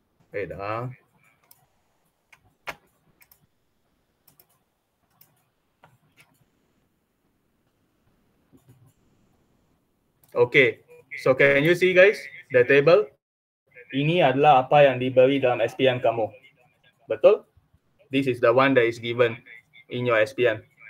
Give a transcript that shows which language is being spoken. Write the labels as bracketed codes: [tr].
[en] Wait, Okay, so can you see guys the table? [ms] Ini adalah apa yang diberi dalam SPM kamu. Betul? [en] This is the one that is given in your SPM.